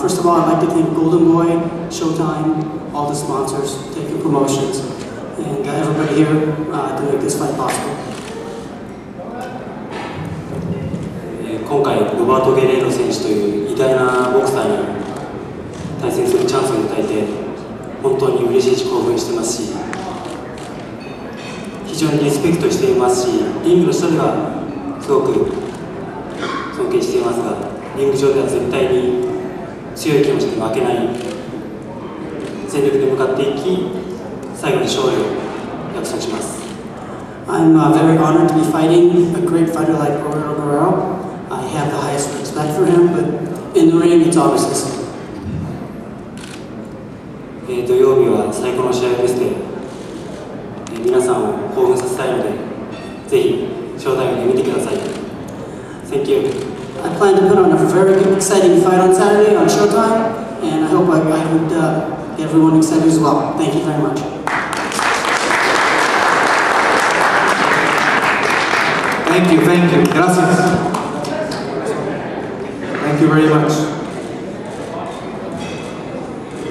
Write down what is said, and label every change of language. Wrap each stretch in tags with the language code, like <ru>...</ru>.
<en>First of all, I'd like to thank Golden Boy, Showtime, all the sponsors, thank you promotions, and everybody here to make this fight possible.</en> <ja>今回ロバート・ゲレーロ選手という偉大なボクサーに対戦するチャンスを与えて本当に嬉しいし興奮してますし非常にリスペクトしていますしリングの下ではすごく尊敬していますがリング上では絶対に強い気持ちで負けない全力で向かっていき最後に勝利を約束します。</ja> <en>I'm very honored to be fighting a great fighter like Guerrero Guerrero. I have the highest respect for him, but in the ring it's obvious the same.</en> <ja>土曜日は最高の試合を見せて皆さんを興奮させたいのでぜひ招待を見てください。</ja> <en>Thank you. I plan to put on a very exciting fight on Saturday on Showtime and I hope I would get everyone excited as well. Thank you very much. Thank you, thank you. Gracias. Thank you very much.</en>